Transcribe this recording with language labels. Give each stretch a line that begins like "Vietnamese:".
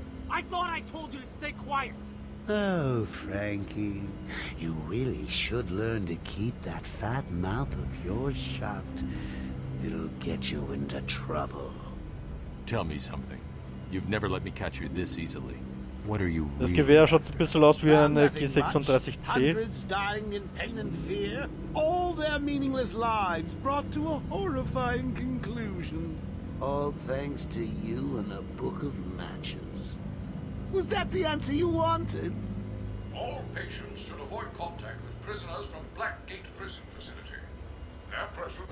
English: I thought I told you to stay quiet. Oh, Frankie, you really should learn to keep that fat mouth of yours shut. It'll get you into trouble. Tell me something. You've never let me catch you this easily. What are you?
German: Das Gewehr schaut ein bisschen aus wie eine G36C.
English: Hundreds dying in pain and fear, all their meaningless lives brought to a horrifying conclusion. All thanks to you and a book of matches. Was that the answer you wanted? All patients should avoid contact with prisoners from Blackgate Prison Facility. Their presence...